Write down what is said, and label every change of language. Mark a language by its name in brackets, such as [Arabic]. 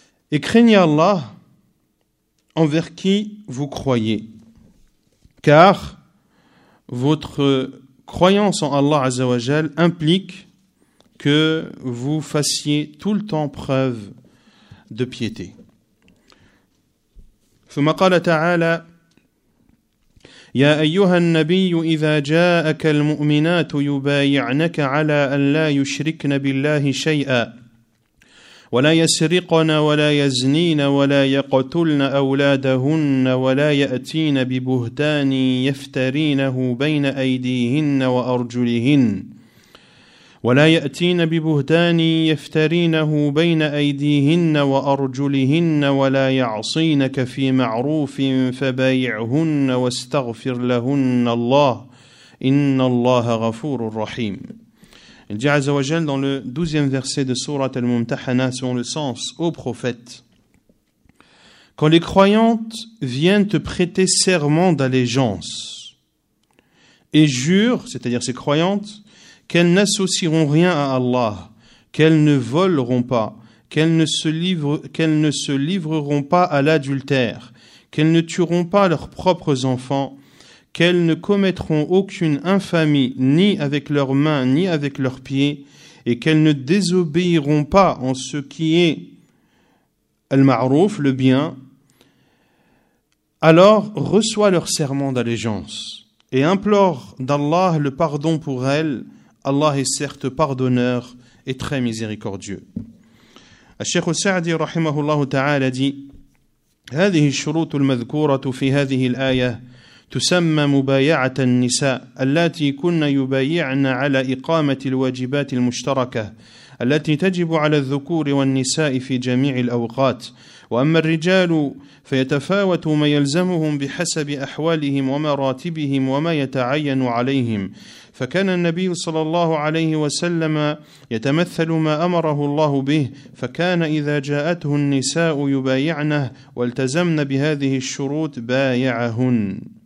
[French] Et craignez Allah envers qui vous croyez. Car votre croyance en Allah Azzawajal implique que vous fassiez tout le temps preuve de piété. [Arabic] ثم قال تعالى يا أيها النبي إذا جاءك المؤمنات يبايعنك على أن لا يشركن بالله شيئا ولا يسرقن ولا يزنين ولا يقتلن أولادهن ولا يأتين ببهتان يفترينه بين أيديهن وأرجلهن ولا يأتين ببهتان يفترينه بين أيديهن وأرجلهن ولا يعصينك في معروف فبايعهن واستغفر لهن الله إن الله غفور رحيم. [French] Il dit Azzawajal dans le 12e verset de Sourate Al-Mumtahana, selon le sens, ô prophète, quand les croyantes viennent te prêter serment d'allégeance et jurent, c'est-à-dire ces croyantes, qu'elles n'associeront rien à Allah, qu'elles ne voleront pas, qu'elles ne se livreront pas à l'adultère, qu'elles ne tueront pas leurs propres enfants, qu'elles ne commettront aucune infamie, ni avec leurs mains, ni avec leurs pieds, et qu'elles ne désobéiront pas en ce qui est al-ma'rouf, le bien, alors reçois leur serment d'allégeance, et implore d'Allah le pardon pour elles. Allah est certes pardonneur et très miséricordieux. [Arabic] Al-Sheikh al-Sa'di, rahimahullah ta'ala, dit « هذه الشروط المذكورة في هذه الآية تسمى مبايعة النساء التي كن يبايعن على إقامة الواجبات المشتركة التي تجب على الذكور والنساء في جميع الأوقات وأما الرجال فيتفاوت ما يلزمهم بحسب أحوالهم ومراتبهم وما يتعين عليهم فكان النبي صلى الله عليه وسلم يتمثل ما أمره الله به فكان إذا جاءته النساء يبايعنه والتزمن بهذه الشروط بايعهن